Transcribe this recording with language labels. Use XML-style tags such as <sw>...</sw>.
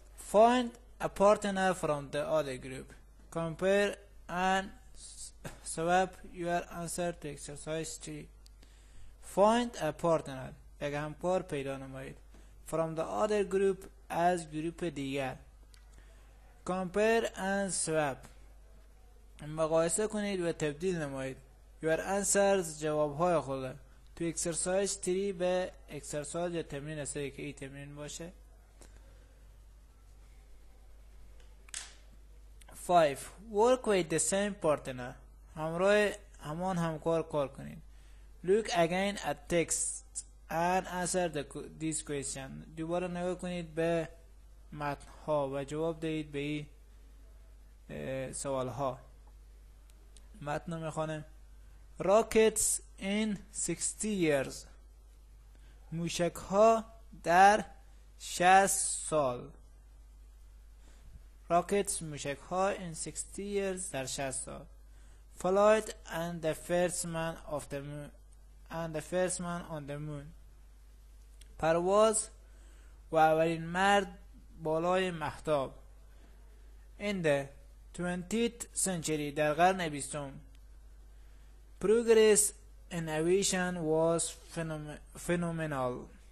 <en>Find a partner from the other group. Compare and swap your answer to exercise 3. Find a partner.</en> <fa>یک همکار پیدا نمایید.</fa> <en>From the other group as group دیگر. Compare and swap.</en> <fa>مقایسه کنید و تبدیل نمایید.</fa> <en>Your answers</en> <fa>جواب های خود. تو اکسرسایز 3 به اکسرسایز یا تمرین است که این تمرین باشه. 5.</fa> <en>Work with the same partner.</en> <fa>همراه همان همکار کار کنید.</fa> <en>Look again at text and answer this question.</en> <fa>دوباره نگاه کنید به متن ها و جواب دهید به این سوال ها. متن رو میخوانم.</fa> <en>Rockets in 60 years.</en> <fa>موشک ها در 60 سال. Rockets موشک ها</fa> <en>in 60 years</en> <fa>در 60 سال.</fa> <en>Flight and the first man of the moon. And the first man on the moon.</en> <fa>پرواز و اولین مرد بالای مهتاب.</fa> <en>In the 20th century</en> <fa>در قرن 20.</fa> <en>Progress in aviation was phenomenal.</en>